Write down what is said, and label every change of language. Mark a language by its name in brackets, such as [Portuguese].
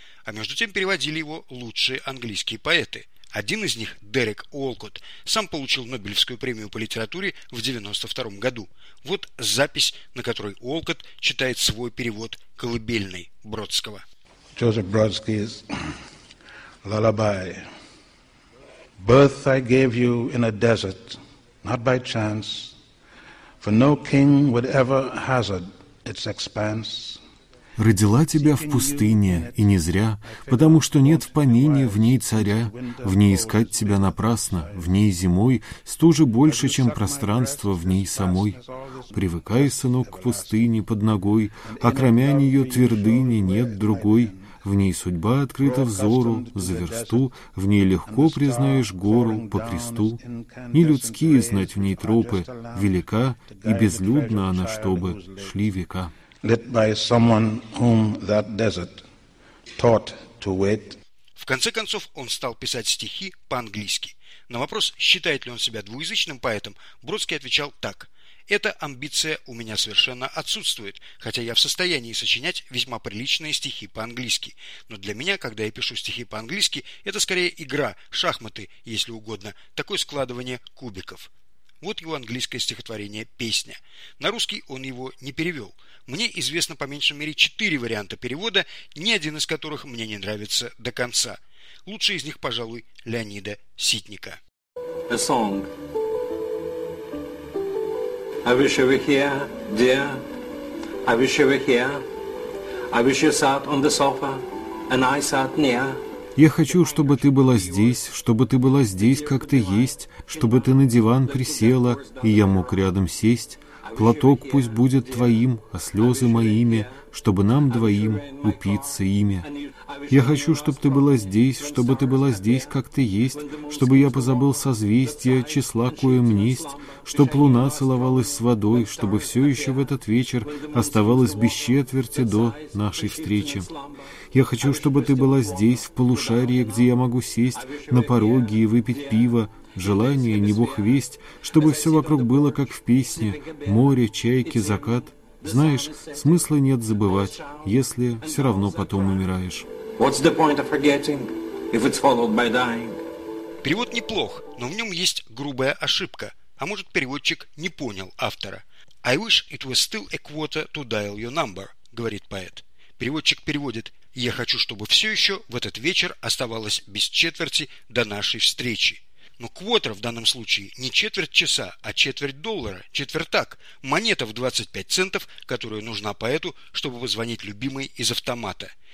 [Russian] А между тем переводили его лучшие английские поэты. Один из них, Дерек Уолкотт, сам получил Нобелевскую премию по литературе в 1992 году. Вот запись, на которой Уолкотт читает свой перевод колыбельной Бродского. [English] Joseph Brodsky's lullaby. Birth I gave you in a desert, not by chance, for no king would ever hazard its expanse. [Russian] Родила тебя в пустыне, и не зря, потому что нет в помине в ней царя. В ней искать тебя напрасно, в ней зимой стужи больше, чем пространство в ней самой. Привыкай, сынок, к пустыне под ногой, а кроме нее твердыни нет другой. В ней судьба открыта взору, за версту, в ней легко признаешь гору по кресту. Нелюдские знать в ней тропы, велика и безлюдна она, чтобы шли века. [English] Lit by someone whom that desert taught to wait. [Russian] В конце концов, он стал писать стихи по-английски. На вопрос, считает ли он себя двуязычным поэтом, Бродский отвечал так: «Эта амбиция у меня совершенно отсутствует, хотя я в состоянии сочинять весьма приличные стихи по-английски. Но для меня, когда я пишу стихи по-английски, это скорее игра, шахматы, если угодно, такое складывание кубиков». Вот его английское стихотворение «Песня». На русский он его не перевел. Мне известно по меньшей мере 4 варианта перевода, ни один из которых мне не нравится до конца. Лучший из них, пожалуй, Леонида Ситника. [English] A song. I wish you were here, dear. I wish you were here. I wish you sat on the sofa and I sat near. [Russian] Я хочу, чтобы ты была здесь, чтобы ты была здесь, как ты есть, чтобы ты на диван присела, и я мог рядом сесть. Платок пусть будет твоим, а слезы моими, чтобы нам двоим упиться ими. Я хочу, чтобы ты была здесь, чтобы ты была здесь, как ты есть, чтобы я позабыл созвездия, числа, коим несть, чтоб луна целовалась с водой, чтобы все еще в этот вечер оставалось без четверти до нашей встречи. Я хочу, чтобы ты была здесь, в полушарии, где я могу сесть на пороге и выпить пиво, желание, не бог весть, чтобы все вокруг было, как в песне, море, чайки, закат. Знаешь, смысла нет забывать, если все равно потом умираешь. Перевод неплох, но в нем есть грубая ошибка. А может, переводчик не понял автора. [English] «I wish it was still a quarter to dial your number», — [Russian] говорит поэт. Переводчик переводит: «Я хочу, чтобы все еще в этот вечер оставалось без четверти до нашей встречи». Но квотер в данном случае не четверть часа, а четверть доллара, четвертак, монета в 25 центов, которая нужна поэту, чтобы позвонить любимой из автомата.